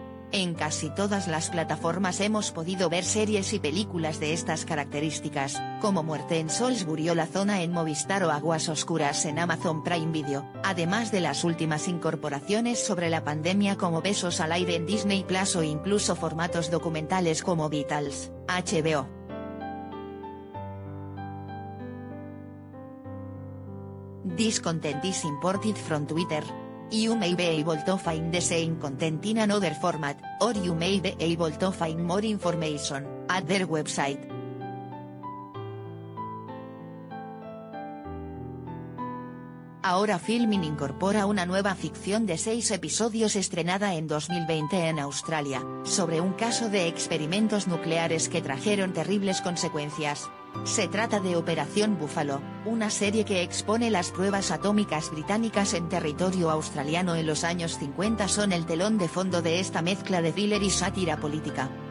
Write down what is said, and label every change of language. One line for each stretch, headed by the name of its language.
Spanish: En casi todas las plataformas hemos podido ver series y películas de estas características, como Muerte en Salisbury o La Zona en Movistar o Aguas Oscuras en Amazon Prime Video, además de las últimas incorporaciones sobre la pandemia como Besos al Aire en Disney Plus o incluso formatos documentales como Vitals, HBO.
English: Discontent is imported from Twitter. You may be able to find the same content in another format, or you may be able to find more information at their website.
Spanish: Ahora Filmin incorpora una nueva ficción de 6 episodios estrenada en 2020 en Australia, sobre un caso de experimentos nucleares que trajeron terribles consecuencias. Se trata de Operación Búfalo, una serie que expone las pruebas atómicas británicas en territorio australiano en los años 50 son el telón de fondo de esta mezcla de thriller y sátira política.